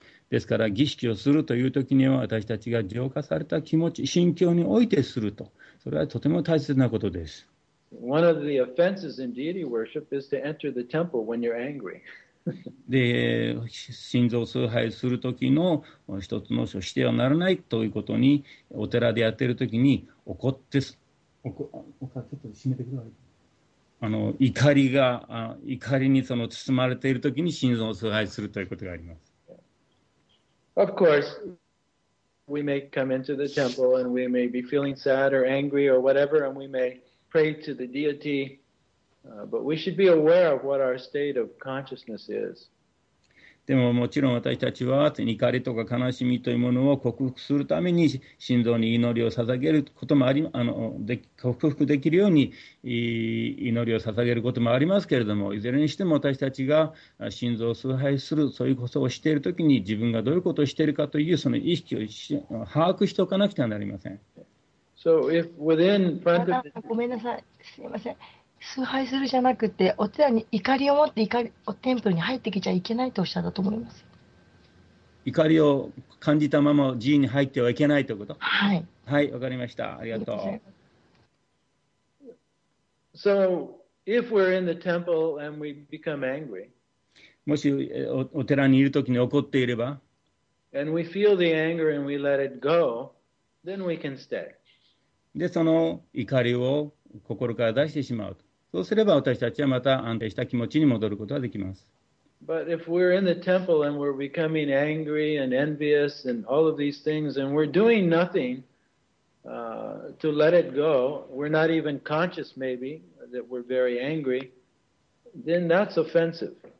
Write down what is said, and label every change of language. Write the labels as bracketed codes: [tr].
[ja] ですから儀式をするというときには私たちが浄化された気持ち、心境においてすると、それはとても大切なことです。 [en] One of the offenses in deity worship is to enter the temple when you're angry. [ja] で、神像崇拝するときの一つの所してはならないということに、お寺でやっているときに怒ってす、おか、ちょっと閉めてください。怒りが、怒りにその包まれているときに神像崇拝するということがあります。 [en] Of course, we may come into the temple and we may be feeling sad or angry or whatever, and we may pray to the deity, but we should be aware of what our state of consciousness is. [ja] でももちろん私たちは怒りとか悲しみというものを克服するために心臓に祈りを捧げることもあり、克服できるように祈りを捧げることもありますけれども、いずれにしても私たちが心臓を崇拝する、そういうことをしているときに自分がどういうことをしているかというその意識を把握しておかなくてはなりません。 [en] So if within front of the... [ja] ごめんなさい、すみません。崇拝するじゃなくて、お寺に怒りを持って怒りをテンプルに入ってきちゃいけないとおっしゃったと思います。怒りを感じたまま寺院に入ってはいけないということ。はい。はい、わかりました。ありがとう。 [en] So, if we're in the temple and we become angry, [ja] もしお寺にいるときに怒っていれば、 [en] and we feel the anger and we let it go, then we can stay. [ja] で、その怒りを心から出してしまうと。そうすれば私たちはまた安定した気持ちに戻ることができます。 [en] But if we're in the temple and we're becoming angry and envious and all of these things and we're doing nothing to let it go, we're not even conscious maybe that we're very angry, then that's offensive.